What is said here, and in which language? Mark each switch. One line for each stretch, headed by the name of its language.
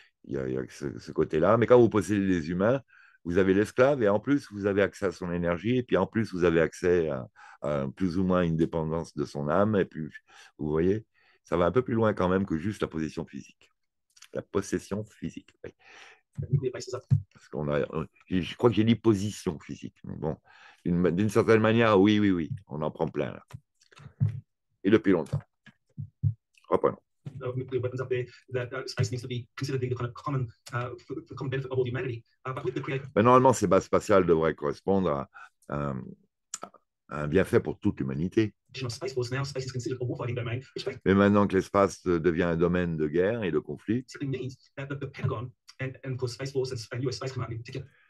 French: Il y a ce côté-là. Mais quand vous possédez des humains, vous avez l'esclave et en plus vous avez accès à son énergie et puis en plus vous avez accès à plus ou moins une dépendance de son âme et puis vous voyez, ça va un peu plus loin quand même que juste la possession physique. La possession physique. Oui. Parce je crois que j'ai dit position physique. Mais bon, d'une certaine manière, oui, on en prend plein là. Et depuis longtemps. Reprenons.
English: Nuclear weapons up there, that space needs to be considered the kind of common for common benefit of all humanity. But with the create
French: Mais normalement, ces bases spatiales devraient correspondre à un bienfait pour toute l'humanité.
English: of space force, now space is considered a warfighting domain, which
French: Mais maintenant que l'espace devient un domaine de guerre et de conflit,
English: basically means that the Pentagon and of course Space Force and US Space Command in particular